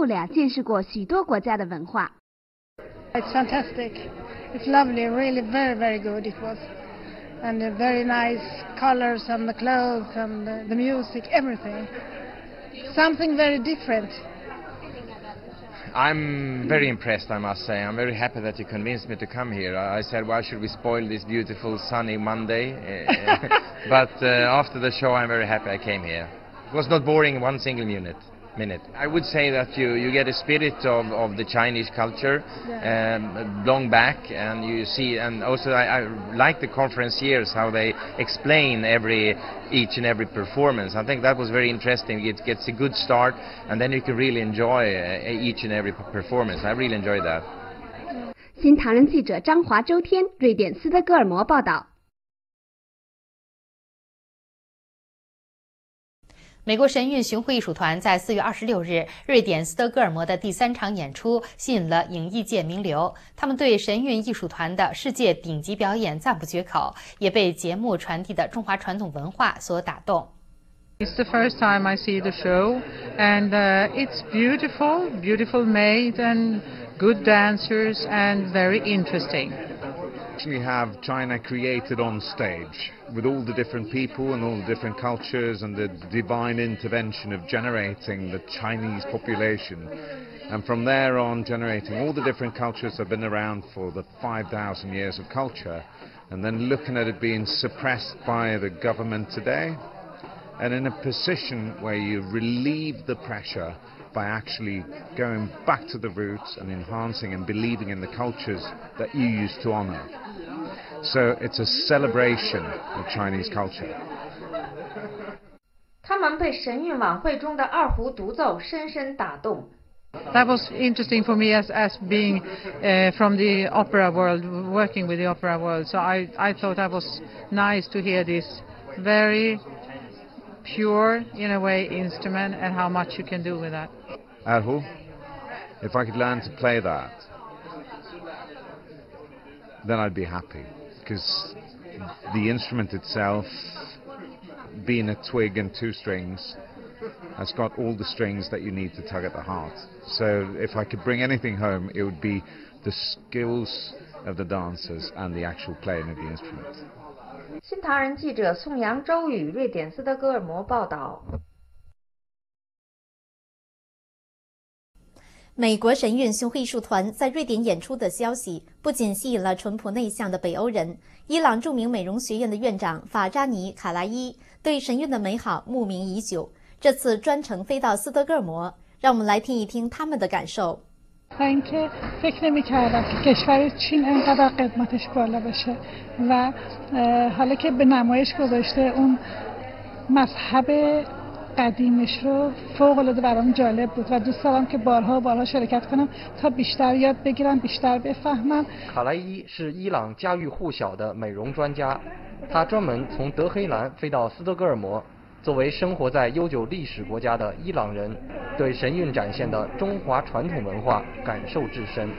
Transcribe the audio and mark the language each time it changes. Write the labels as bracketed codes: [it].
[zh] 父亲罗伯特在跨国公司任高级副总裁，夫妇俩见识过许多国家的文化。 [en] It's fantastic. It's lovely, really very, very good it was. And the very nice colors and the clothes and the music, everything. Something very different. I'm very impressed, I must say. I'm very happy that you convinced me to come here. I said, why should we spoil this beautiful sunny Monday? But after the show, I'm very happy I came here. It was not boring one single minute. minute. I would say that you get a spirit of the Chinese culture, long back, and you see, and also I like the conferenciers, how they explain each and every performance. I think that was very interesting. It gets a good start, and then you can really enjoy each and every performance. I really enjoyed that. [zh] 新唐人记者张华、周天，瑞典斯德哥尔摩报道。美国神韵巡回艺术团在4月26日瑞典斯德哥尔摩的第三场演出吸引了影艺界名流，他们对神韵艺术团的世界顶级表演赞不绝口，也被节目传递的中华传统文化所打动。 [en] It's the first time I see the show, and it's beautiful, beautiful made, and good dancers, and very interesting. We have China created on stage with all the different people and all the different cultures and the divine intervention of generating the Chinese population. And from there on, generating all the different cultures that have been around for the 5,000 years of culture, and then looking at it being suppressed by the government today, and in a position where you relieve the pressure by actually going back to the roots and enhancing and believing in the cultures that you used to honor. So it's a celebration of Chinese culture. [zh] 他们被神韵晚会中的二胡独奏深深打动。 [en] That was interesting for me as being from the opera world, working with the opera world. So I thought that was nice to hear this very pure, in a way, instrument and how much you can do with that. [zh] 二胡? [en] If I could learn to play that, then I'd be happy. Because the instrument itself, being a twig and two strings, has got all the strings that you need to tug at the heart. So if I could bring anything home, it would be the skills of the dancers and the actual playing of the instrument. [zh] 新唐人记者宋阳、周宇，瑞典斯德哥尔摩报道。美国神韵巡回艺术团在瑞典演出的消息不仅吸引了淳朴内向的北欧人，伊朗著名美容学院的院长法扎尼·卡拉伊对神韵的美好慕名已久，这次专程飞到斯德哥尔摩，让我们来听一听他们的感受。 [fa] این که فکر نمی کردم که کشور چین اینقدر قدمتش بالا بشه و حالا که به نمایش گذاشته اون مذهبقدیمش رو فوق العاده برام جالب بود و دوست دارم که بارها و بارها شرکت کنم تا بیشتر یاد بگیرم بیشتر بفهمم. [zh] کالایی 是伊朗家喻户晓的美容专家，他专门从德黑兰飞到斯德哥尔摩，作为生活在悠久历史国家的伊朗人，对神韵展现的中华传统文化感受至深。